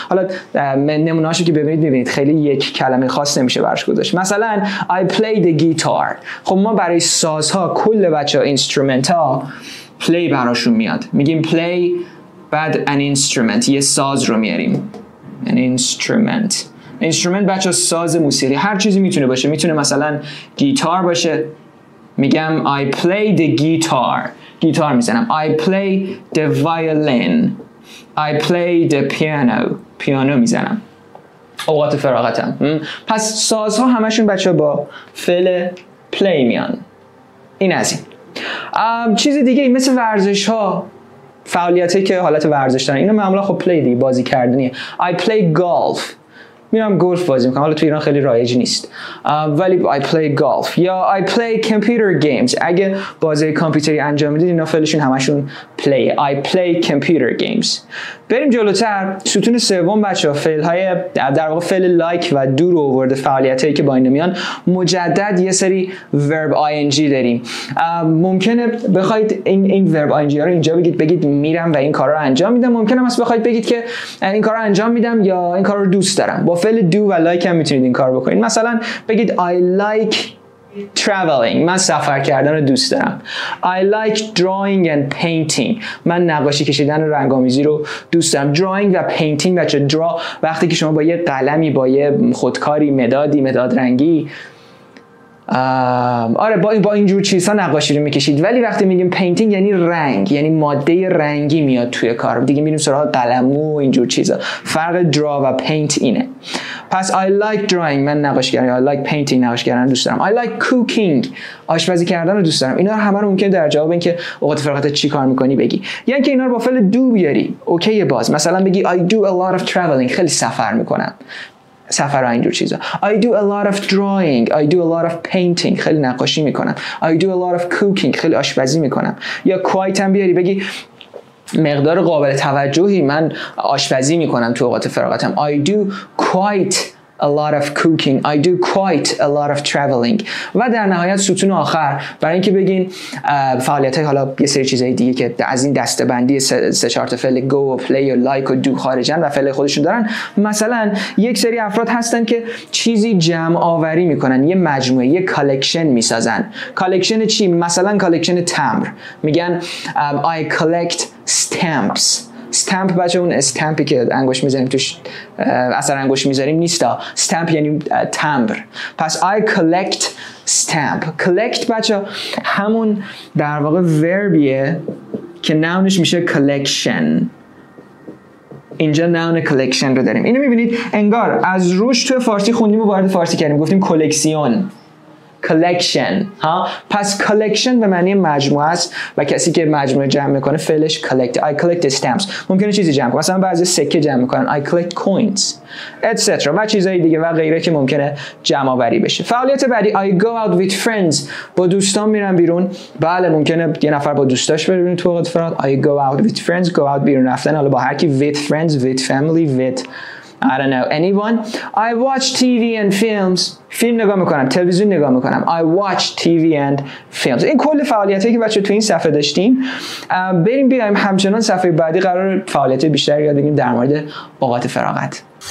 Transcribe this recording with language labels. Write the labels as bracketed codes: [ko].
[fa] حالا نمونه هاشو که ببینید خیلی یک کلمه خاص نمیشه برش گذاشت. [en] مثلا I play the guitar. [fa] خب ما برای سازها، کل بچه ها، instrument ها، play براشون میاد، میگیم play بعد [en] an instrument، [fa] یه ساز رو میاریم، an instrument. instrument بچه ها ساز موسیقی، هر چیزی میتونه باشه، میتونه مثلا گیتار باشه، میگم [en] I play the guitar، [fa] گیتار میزنم. [en] I play the violin، I play the piano، [fa] پیانو میزنم. اوقات فراغتم. پس سازها همشون بچه ها با فعل play میان. این از این. چیز دیگه ای مثل ورزش ها، فعالیت هایی که حالت ورزش دارن، اینو معمولا خب پلی دیگه، بازی کردنیه. [en] I play golf، [fa] میرم گلف بازی میکنم. حالا تو ایران خیلی رایج نیست، ولی I play golf. یا [en] I play computer games، [fa] اگه بازی کامپیوتری انجام میدید اینا فعلشون همشون [en] play. I play computer games. [fa] بریم جلوتر. ستون سوم بچه‌ها فعل‌های در واقع فعل like و do رو آورده، فعالیتایی که با این میان مجدد یه سری verb ing داریم. ممکنه بخواید این verb ing رو اینجا بگید، بگید میرم و این کار رو انجام میدم. ممکنه هم بخواید بگید که این کار رو انجام میدم یا این کار رو دوست دارم. با فعل do و like هم میتونید این کار بکنید. مثلا بگید [en] I like traveling. [fa] من سفر کردن رو دوست دارم. [en] I like drawing and painting. [fa] من نقاشی کشیدن و رنگ‌آمیزی رو دوست دارم. Drawing و painting بچه draw وقتی که شما با یه قلمی با یه خودکاری مدادی مداد رنگی آره با اینجور چیزها نقاشی رو میکشید، ولی وقتی میگیم painting یعنی رنگ، یعنی ماده رنگی میاد توی کار دیگه، میریم سراغ قلمو و اینجور چیزا. فرق draw و paint اینه. پس [en] I like drawing، [fa] من نقاشگرم، [en] I like painting، [fa] نقاشگرم دوست دارم. [en] I like cooking، [fa] آشپزی کردن رو دوست دارم. اینا رو همه رو ممکنه در جواب اینکه اوقات فراغتت چی کار میکنی بگی، یعنی که اینا رو با فعل do بیاری. اوکی باز مثلا بگی [en] I do a lot of traveling، [fa] خیلی سفر میکنم، سفر و اینجور چیزا. [en] I do a lot of drawing، I do a lot of painting، [fa] خیلی نقاشی میکنم. [en] I do a lot of cooking، [fa] خیلی آشپزی میکنم. یا quite هم بیاری بگی مقدار قابل توجهی من آشپزی میکنم تو اوقات فراغتم. [en] I do quite a lot of cooking. I do quite a lot of traveling. [fa] و در نهایت ستون آخر برای اینکه بگین فعالیت های حالا یه سری چیزهای دیگه که از این دستبندی سه چهار تا فعل go و play و like و do خارجن و فعل خودشون دارن، مثلا یک سری افراد هستن که چیزی جمع آوری میکنن، یه مجموعه، یه collection میسازن. collection چی؟ مثلا collection تمبر. میگن [en] I collect stamps. [fa] استمپ بچه اون استمپی که انگوش میذاریم توش اثر انگوش میذاریم نیستا، استمپ یعنی تمبر. [en] پس I collect stamp. [fa] collect بچه همون در واقع وربیه که نامش میشه collection. اینجا نون collection رو داریم. اینو میبینید انگار از روش توی فارسی خوندیم و وارد فارسی کردیم، گفتیم collection collection ها. پس collection به معنی مجموعه است و کسی که مجموعه جمع میکنه فعلش collect. [en] I collect stamps. [fa] ممکنه چیزی جمع کنه، مثلا بعضی سکه جمع میکنن. [en] I collect coins etc. [fa] و چیزهای دیگه و غیره که ممکنه جمع آوری بشه. فعالیت بعدی [en] I go out with friends. [fa] با دوستان میرم بیرون. بله ممکنه یه نفر با دوستاش بره بیرون تو وقت فراغ. [en] I go out with friends. go out [fa] بیرون رفتن، حالا با هر کی، [en] with friends، with family، with I don't know anyone. I watch TV and films. [fa] فیلم نگاه میکنم، تلویزیون نگاه میکنم. [en] I watch TV and films. [fa] این کل فعالیتایی که بچه تو این صفحه داشتیم. بریم بیایم همچنان صفحه بعدی، قرار فعالیت بیشتر یاد بگیریم در مورد اوقات فراغت.